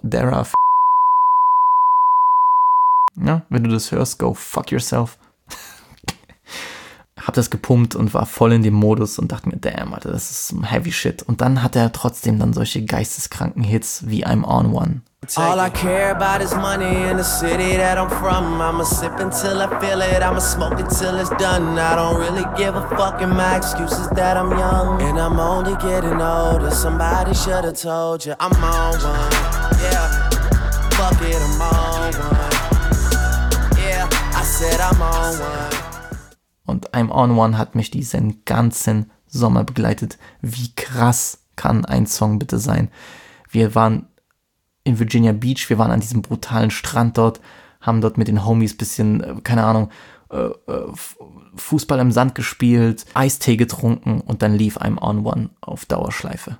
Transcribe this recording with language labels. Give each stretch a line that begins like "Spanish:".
German: Dara, ja, wenn du das hörst,
English: go fuck yourself.
German: Hab das gepumpt und war voll in dem Modus und dachte mir, damn, Alter, das ist
English: some heavy shit.
German: Und dann hat er trotzdem dann solche geisteskranken Hits wie I'm on one.
English: All I care about is money in the city that I'm from. I'ma sip until I feel it, I'ma smoke until it's done. I don't really give a fuck and my excuse is that I'm young. And I'm only getting older, somebody should have told you. I'm on one, yeah, fuck it, I'm on one. Yeah, I said I'm on one.
German: Und I'm on one hat mich diesen ganzen Sommer begleitet. Wie krass kann ein Song bitte sein? Wir waren in Virginia Beach, wir waren an diesem brutalen Strand dort, haben dort mit den Homies bisschen, keine Ahnung, Fußball im Sand gespielt, Eistee getrunken und dann lief I'm on one auf Dauerschleife.